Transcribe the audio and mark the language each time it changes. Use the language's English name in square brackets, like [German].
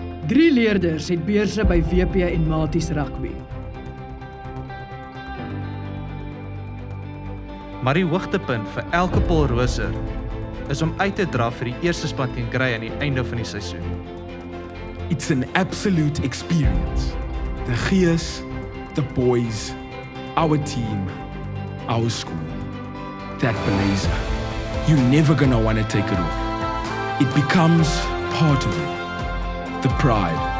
[Afrikaans] 3 leerders het beurse by WP en Maties Rugby. Maar die hoogtepunt vir elke Paul Rooser is om uit te draf vir die eerste span teen kry aan die einde van die seisoen. [English] It's an absolute experience. The gees, the boys, our team, our school. That blazer, you're never gonna want to take it off. It becomes part of you. The pride.